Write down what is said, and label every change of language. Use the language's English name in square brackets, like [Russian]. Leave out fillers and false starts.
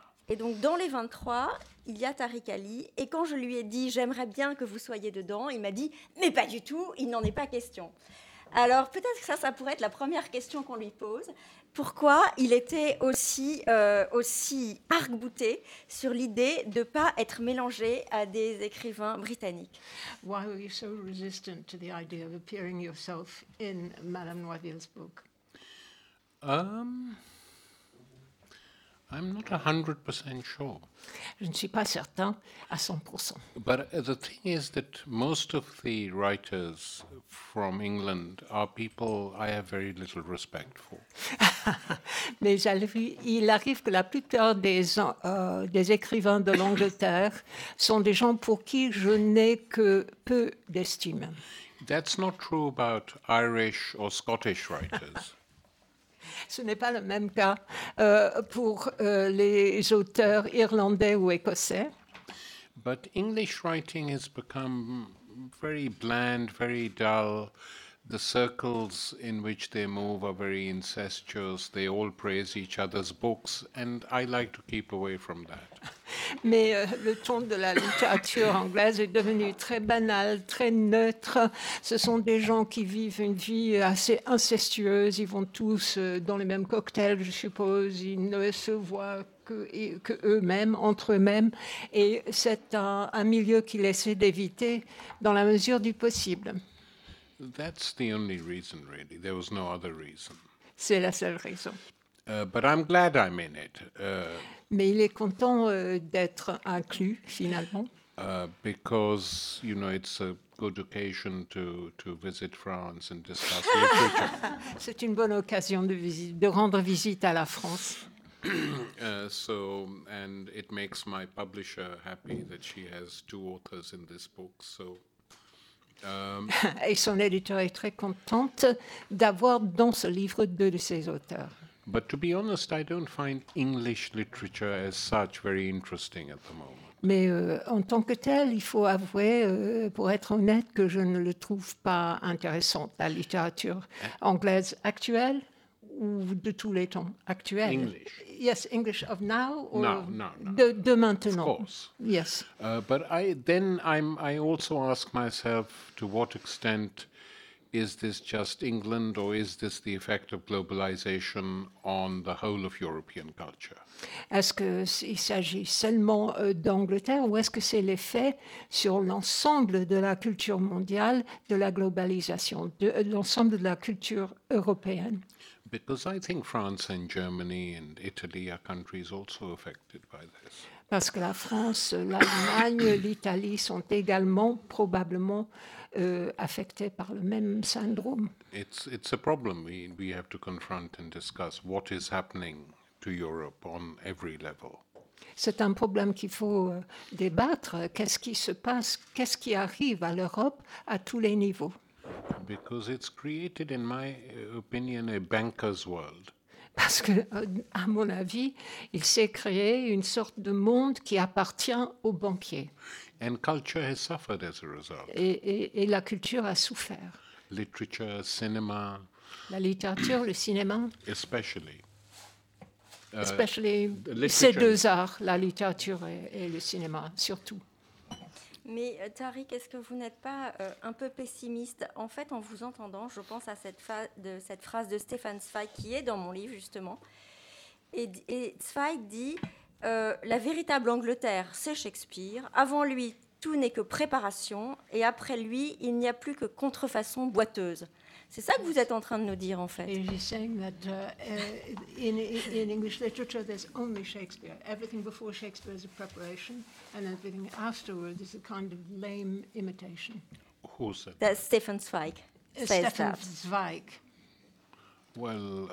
[French] Et donc dans les 23, il y a Tariq Ali, et quand je lui ai dit j'aimerais bien que vous soyez dedans, il m'a dit mais pas du tout, il n'en est pas question. Alors, peut-être que ça pourrait être la première question qu'on lui pose. Pourquoi il était aussi arc-bouté sur l'idée de ne pas être mélangé à des écrivains britanniques? [English] Why were you so resistant to the idea of appearing yourself in Madame Noiville's book? I'm not 100% sure. [French] Je ne suis pas certain à 100%. [English] But the thing is that most of the writers from England are people I have very little respect for. [French] Mais il arrive que la plupart des écrivains de l'Angleterre sont des gens pour qui je n'ai que peu d'estime. [English] That's not true about Irish or Scottish writers. [French] Ce n'est pas le même cas pour les auteurs irlandais ou écossais. [English] But English writing has become very bland, very dull. The circles in which they move are very incestuous. They all praise each other's books, and I like to keep away from that. [French] Mais le ton de la littérature anglaise est devenu très banal, très neutre. Ce sont des gens qui vivent une vie assez incestueuse. Ils vont tous dans les mêmes cocktails, je suppose. Ils ne se voient que eux-mêmes, entre eux-mêmes. Et c'est un milieu qu'ils essaient d'éviter dans la mesure du possible. [English] That's the only reason, really. There was no other reason. [French] C'est la seule raison. [English] But I'm glad I'm in it. [French] Mais il est content d'être inclus, finalement. [English] Because, you know, it's a good occasion to visit France and discuss the future. [French] C'est une bonne occasion de rendre visite à la France. [English] And it makes my publisher happy that she has two authors in this book, so... [French] Et son éditeur est très contente d'avoir dans ce livre deux de ses auteurs. [English] But to be honest, I don't find English literature as such very interesting at the moment. [French] Mais en tant que tel, il faut avouer, pour être honnête, que je ne le trouve pas intéressant, la littérature anglaise actuelle ou de tous les temps actuels. [English] English. Yes, English of now or [French] no, de maintenant. [English] Of course. Yes. But I also ask myself to what extent is this just England or is this the effect of globalization on the whole of European culture? [French] Est-ce que il s'agit seulement d'Angleterre ou est-ce que c'est l'effet sur l'ensemble de la culture mondiale de la globalisation de l'ensemble de la culture européenne? [English] Because I think France and Germany and Italy are countries also affected by this. [French] Parce que la France, l'Allemagne, l'Italie sont également probablement affectés par le même syndrome. [English] It's a problem we have to confront and discuss what is happening to Europe on every level. [French] C'est un problème qu'il faut débattre. Qu'est-ce qui se passe? Qu'est-ce qui arrive à l'Europe à tous les niveaux? [English] Because it's created, in my opinion, a banker's world. [French] Parce que, à mon avis, il s'est créé une sorte de monde qui appartient aux banquiers. [English] And culture has suffered as a result. [French] Et la culture a souffert. [English] Literature, cinema. [French] La littérature, le cinéma. [English] Especially. Especially [French] ces deux arts, la littérature et le cinéma, surtout. Mais Tariq, est-ce que vous n'êtes pas un peu pessimiste? En fait, en vous entendant, je pense à cette phrase de Stéphane Zweig qui est dans mon livre, justement. Et Zweig dit « La véritable Angleterre, c'est Shakespeare. Avant lui, tout n'est que préparation. Et après lui, il n'y a plus que contrefaçon boiteuse. » C'est ça que vous êtes en train de nous dire, en fait. [English] He's saying that in English literature, there's only Shakespeare. Everything before Shakespeare is a preparation, and everything afterwards is a kind of lame imitation. Who said that? Stefan Zweig. Stefan Zweig. Well,